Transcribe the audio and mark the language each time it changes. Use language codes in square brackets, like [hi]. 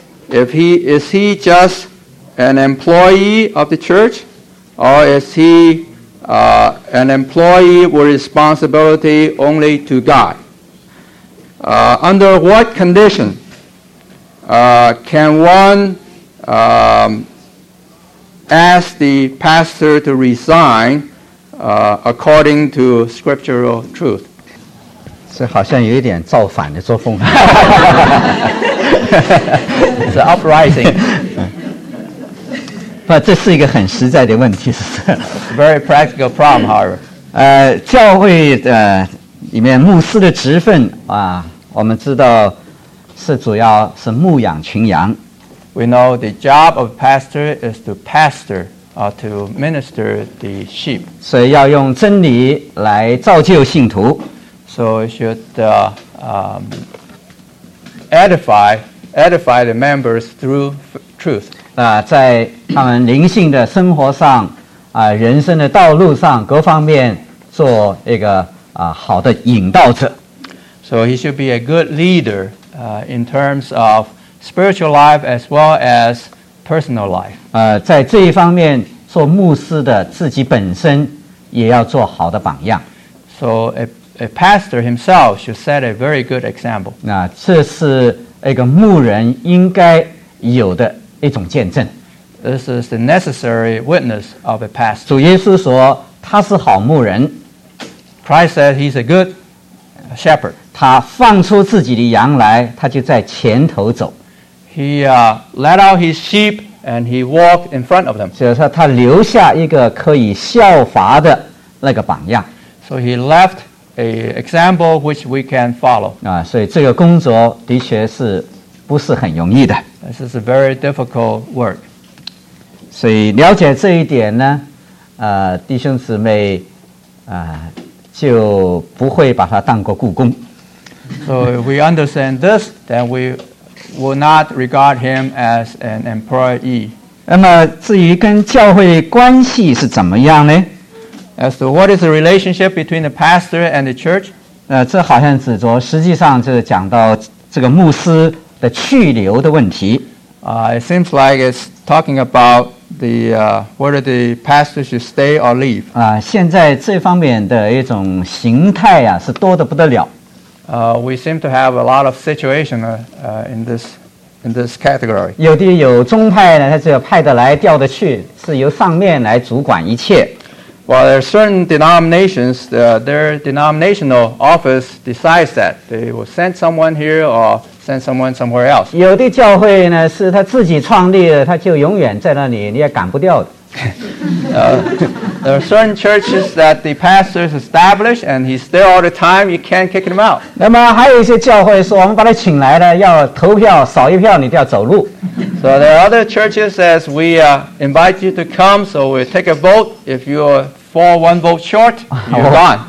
[en] Is he just an employee of the church, or is he an employee with responsibility only to God? Under what condition can one ask the pastor to resign according to scriptural truth? [zh] 这好像有一点造反的作风。 [en] It's an uprising. But [zh] 这是一个很实在的问题。 [en] It's a very practical problem, however. [zh] 教会里面牧师的职分，我们知道是主要是牧养群羊。 [en] We know the job of pastor is to pastor, to minister the sheep. [zh] 所以要用真理来造就信徒。 [en] So it should edify the members through truth. [zh] 在他们灵性的生活上，人生的道路上，各方面做一个好的引导者。 [en] So he should be a good leader in terms of spiritual life as well as personal life. [zh] 在这一方面，做牧师的自己本身也要做好的榜样。 [en] So a pastor himself should set a very good example. [zh] 那这是一个牧人应该有的一种见证。 [en] This is the necessary witness of a pastor. [zh] 主耶稣说他是好牧人。 [en] Christ said he's a good shepherd. [zh] 他放出自己的羊来，他就在前头走。 [en] He let out his sheep and he walked in front of them. [zh] 就是他留下一个可以效法的那个榜样。 [en] So he left an example which we can follow. [zh] 所以这个工作的确是不是很容易的。 [en] This is a very difficult work. [zh] 所以了解这一点呢，弟兄姊妹，就不会把它当过故宫。 [en] So if we understand this, then we will not regard him as an employee. [zh] 那么至于跟教会关系是怎么样呢？ [en] As to what is the relationship between the pastor and the church? [zh] 这好像指着实际上就是讲到这个牧师的去留的问题。 [en] It seems like it's talking about the whether the pastor should stay or leave. [zh] 现在这方面的一种形态啊是多得不得了。 [en] We seem to have a lot of situation in this category. [zh] 有的有宗派呢，他只有派得来调得去，是由上面来主管一切。 [en] Well, there are certain denominations, their denominational office decides that. They will send someone here or send someone somewhere else. [zh] 有的教会呢，是他自己创立的，他就永远在那里，你也赶不掉的。 [en] There are certain churches that the pastors establish and he's there all the time, you can't kick him out. [zh] 那么还有一些教会说，我们把他请来了，要投票，少一票你就要走路。 [en] So there are other churches that we invite you to come, so we take a vote. If you fall one vote short, you're gone.